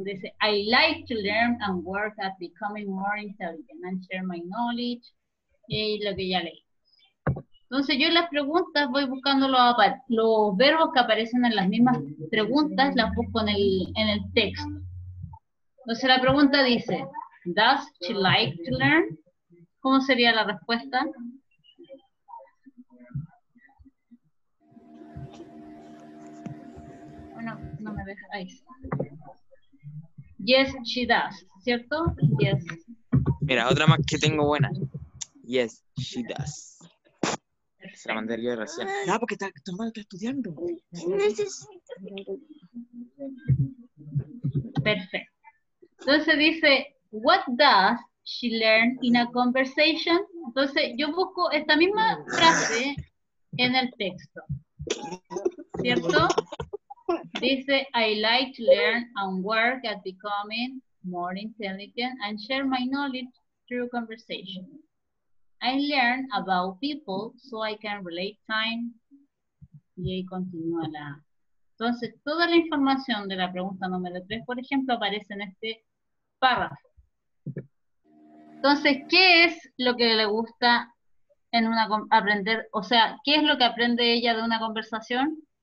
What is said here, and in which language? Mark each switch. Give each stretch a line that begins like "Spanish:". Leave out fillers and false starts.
Spanish: Dice,
English: I like to learn and work at becoming more intelligent and share my knowledge.
Spanish: Y lo que ya leí. Entonces yo en las preguntas voy buscando los verbos que aparecen en las mismas preguntas, las busco en el texto. Entonces la pregunta dice,
English: does she like to learn?
Spanish: ¿Cómo sería la respuesta? Bueno, no me deja ahí.
English: Yes, she does,
Spanish: ¿cierto?
English: Yes.
Spanish: Mira, otra más que tengo buena.
English: Yes, she does.
Spanish: Se la mandé yo recién. No, porque está, tu hermano está estudiando. Perfecto. Entonces dice,
English: what does she learn in a conversation?
Spanish: Entonces yo busco esta misma frase en el texto. ¿Cierto? Dice,
English: I like to learn and work at becoming more intelligent and share my knowledge through conversation. I learn about people so I can relate time.
Spanish: Y ahí continúa la... Entonces, toda la información de la pregunta número 3, por ejemplo, aparece en este párrafo. Entonces, ¿qué es lo que le gusta en una aprender? O sea, ¿qué es lo que aprende ella de una conversación?